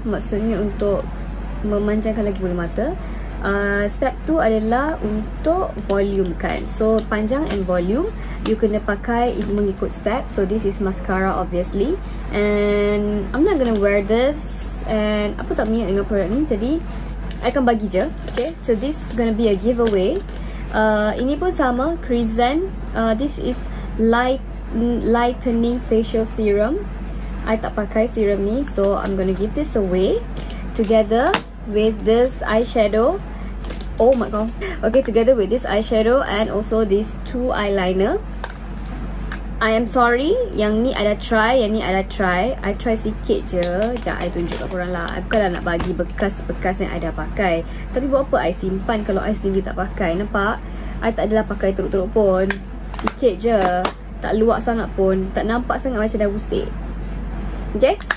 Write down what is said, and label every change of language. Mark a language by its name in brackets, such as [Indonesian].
[Malay] Maksudnya untuk memanjangkan lagi bulu mata. Step 2 adalah untuk volume kan. So, panjang and volume, you kena pakai mengikut step. [English] So, this is mascara obviously. And I'm not gonna wear this. [Malay] And apa tak minat dengan produk ni. Jadi, I akan bagi je. [English] Okay, so this is gonna be a giveaway. [Malay] Ini pun sama, [English] Chrisen. This is lightening facial serum. [Malay] I tak pakai serum ni. [English] So, I'm gonna give this away together with this eyeshadow. Oh my god. Okay, together with this eyeshadow and also these two eyeliner. I am sorry, [Malay] yang ni ada try, yang ni ada try. I try sikit je. Sekejap, I tunjuk kat korang lah. I bukanlah nak bagi bekas-bekas yang I dah pakai. Tapi buat apa I simpan kalau I sendiri tak pakai, nampak? I tak adalah pakai teruk-teruk pun. Sikit je. Tak luak sangat pun. Tak nampak sangat macam dah usik. Okay?